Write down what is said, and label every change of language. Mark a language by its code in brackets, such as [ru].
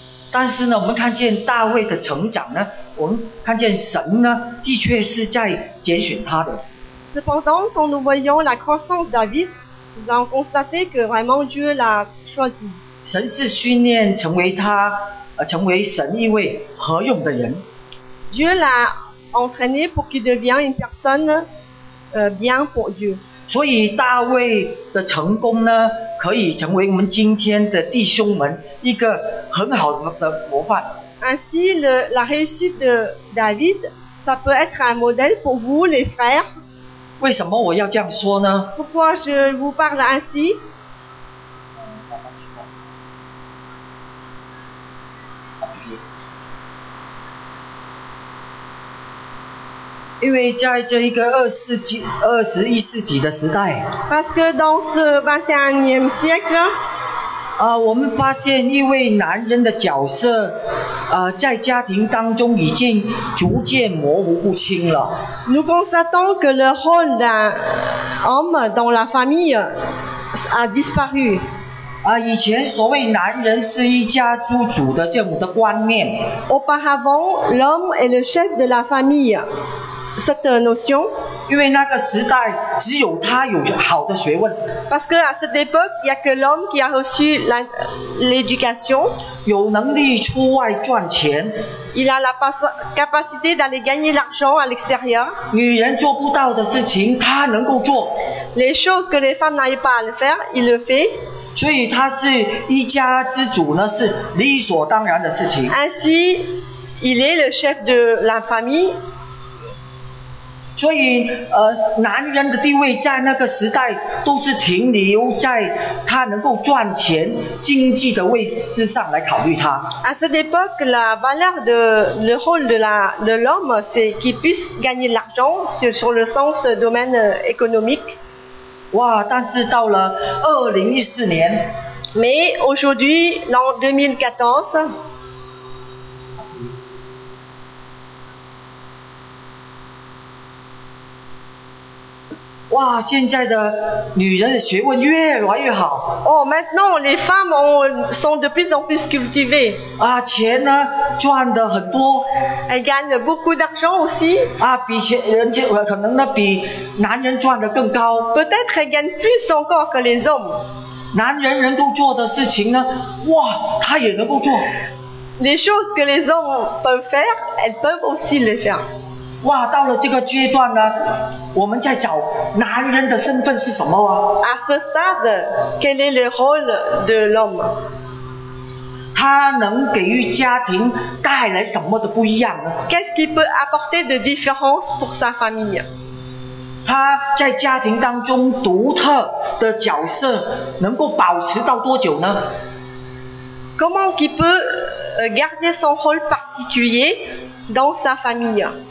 [zh] 但是呢，我们看见大卫的成长呢，我们看见神呢的确是在拣选他的。 [fr] Cependant, quand nous voyons la croissance de David, nous avons constaté que vraiment Dieu l'a choisi. [zh] 神是训练成为他，成为神一位合用的人。 [fr] Dieu l'a entraîné pour qu'il devienne une personne, bien pour Dieu. [zh] 所以大卫的成功呢，可以成为我们今天的弟兄们一个很好的模范。 [fr] Ainsi, la réussite de David, ça peut être un modèle pour vous, les frères. [zh] 为什么我要这样说呢？不过是无法的安息。因为在这一个21世纪的时代。 [fr] Parce que dans ce 21e siècle, [zh] 我们发现一位男人的角色，在家庭当中已经逐渐模糊不清了。 [fr] Nous constatons que le rôle d'un homme dans la famille a disparu. [zh] 以前所谓男人是一家之主的这样的观念。 [fr] Auparavant, l'homme est le chef de la famille. Cette notion. [zh] 因为那个时代只有他有好的学问。 [fr] Parce que à cette époque, il y a que l'homme qui a reçu l'éducation. [zh] 有能力出外赚钱。 [fr] Il a la capacité d'aller gagner l'argent à l'extérieur. [zh] 女人做不到的事情，她能够做。 [fr] Les choses que les femmes n'arrivent pas à le faire, il le fait. [zh] 所以她是一家之主呢，是理所当然的事情。 [fr] Ainsi, il est le chef de la famille. [zh] 所以男人的地位在那个时代都是停留在他能够赚钱经济的位置上来考虑他。 [fr] À cette époque, la valeur de le rôle de l'homme, c'est qu'il puisse gagner l'argent sur le sens domaine économique. [zh] 哇，但是到了2014年。 [fr] Mais aujourd'hui, l'an 2014, [zh] 哇，现在的女人的学问越来越好。 [fr] Oh, maintenant les femmes sont de plus en plus cultivées. [zh] 钱呢赚的很多。 [fr] Elles gagnent beaucoup d'argent aussi. [zh] 比钱人家可能呢比男人赚的更高。 [fr] Peut-être elles gagnent plus encore que les hommes. [zh] 男人能够做的事情呢，哇，他也能够做。 [fr] Les choses que les hommes peuvent faire, elles peuvent aussi les faire. [zh] 哇，到了这个阶段呢，我们在找男人的身份是什么啊？ [fr] À ce stade, quel est le rôle de l'homme? [zh] 他能给予家庭带来什么的不一样呢？ [fr] Qu'est-ce qu'il peut apporter de différence pour sa famille? [zh] 他在家庭当中独特的角色能够保持到多久呢？ [fr] Comment qu'il peut garder son rôle particulier dans sa famille?